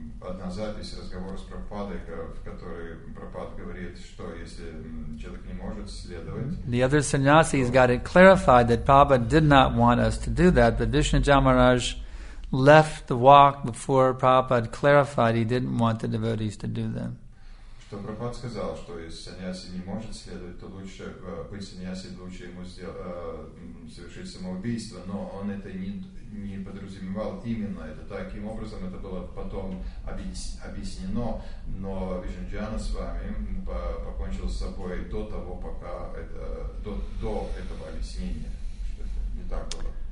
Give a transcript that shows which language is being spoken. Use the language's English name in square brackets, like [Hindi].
[Russian] одна запись разговора с Прабхупадой, в которой Прабхупад говорит, что если человек не может следовать... [English] The other sannyasis got it clarified that Prabhupada did not want us to do that, but Vishnuja Maharaj left the walk before Prabhupada clarified he didn't want the devotees to do them. [Russian] Что Прабхупад сказал, что если саньяси не может следовать, то лучше быть саньяси, лучше ему совершить самоубийство, но он это не подразумевал именно это. Таким образом, это было потом объяснено, но Вишнуджана с вами покончил с собой до того, пока до этого объяснения, что это не так было.